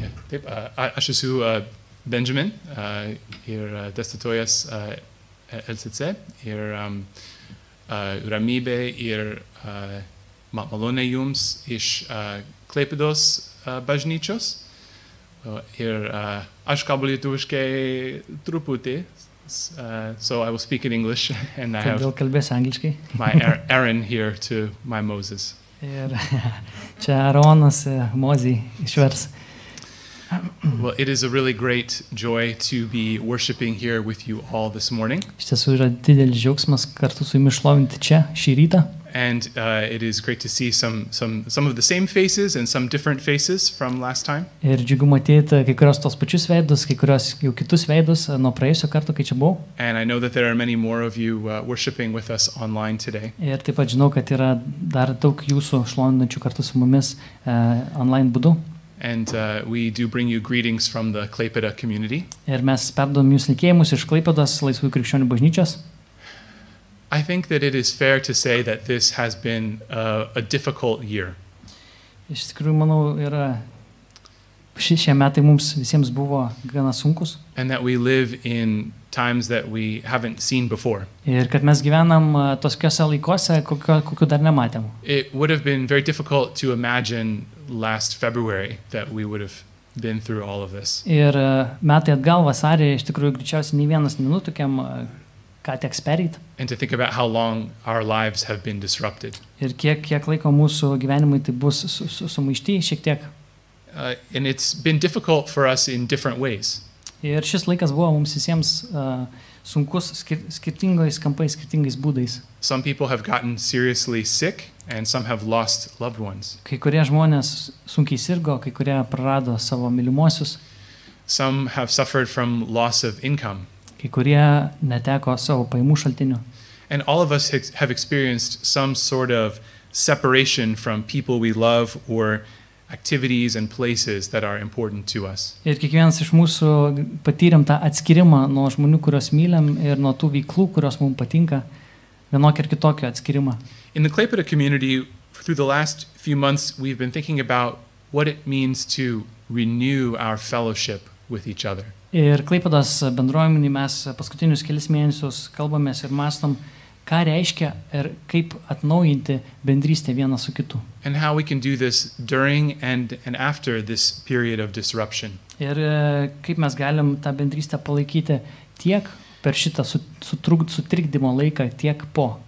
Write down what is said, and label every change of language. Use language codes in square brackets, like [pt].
[lt] Taip, aš esu Benjamin ir dėstytojas LCC ir ramybė ir malonė jums iš Klaipėdos bažnyčios. Ir aš kalbu lietuviškai truputį, [en] so I will speak in English and I have [lt] kalbėsiu angliškai. [en] My Aaron here to my Moses. [lt] Ir čia Aaronas Mozei išvers. [en] Well, it is a really great joy to be worshiping here with you all this morning. [lt] Iš tiesų yra didelis džiaugsmas kartu su jumis šlovinti čia šį rytą. [en] And it is great to see some of the same faces and some different faces from last time. [lt] Ir džiugu matyti kai kurios tos pačius veidus, kai kurios jau kitus veidus nuo praėjusio karto, kai čia buvau. [en] And I know that there are many more of you worshiping with us online today. [lt] Ir taip pat žinau, kad yra dar daug jūsų šlovinančių kartu su mumis online būdu. [en] And we do bring you greetings from the Klaipėda community. [lt] Ir mes perduodam jums linkėjimus iš Klaipėdos Laisvųjų Krikščionių bažnyčios. [en] I think that it is fair to say that this has been a difficult year. [lt] Iš tikrųjų, manau, yra šie metai mums visiems buvo gana sunkus. [en] And that we live in times that we haven't seen before. [lt] Ir kad mes gyvenam tokiuose laikuose, kokių dar nematėm. [en] It would have been very difficult to imagine last February that we would have been through all of this. [lt] Ir metai atgal vasarį, iš tikrųjų, greičiausiai nei vienas nenutukėm, ką teks pereiti. [en] And to think about how long our lives have been disrupted. [lt] Ir kiek laiko mūsų gyvenimai tai bus sumaišti šiek tiek. [en] And it's been difficult for us in different ways. [lt] Ir šis laikas buvo mums visiems sunkus skirtingais kampais, skirtingais būdais. [en] Some people have gotten seriously sick and some have lost loved ones. [lt] Kai kurie žmonės sunkiai sirgo, kai kurie prarado savo mylimuosius. [en] Some have suffered from loss of income. [lt] Kai kurie neteko savo pajamų šaltinių. [en] And all of us have experienced some sort of separation from people we love or activities and places that are important to us. [lt] Ir kiekvienas iš mūsų patyrėm tą atskirimą nuo žmonių, kuriuos mylėm ir nuo tų veiklų, kurios mums patinka, vienokio ir kitokio atskirimą. [en] In the Klaipėda community, through the last few months, we've been thinking about what it means to renew our fellowship with each other. [lt] Ir Klaipėdos bendruomenį mes paskutinius kelis mėnesius kalbamės ir mąstom, ką reiškia ir kaip atnaujinti bendrystę vieną su kitu. [en] And how we can do this during and after this period of disruption. [lt] Ir kaip mes galim tą bendrystę palaikyti tiek per šitą sutrikdymo laiką, tiek po.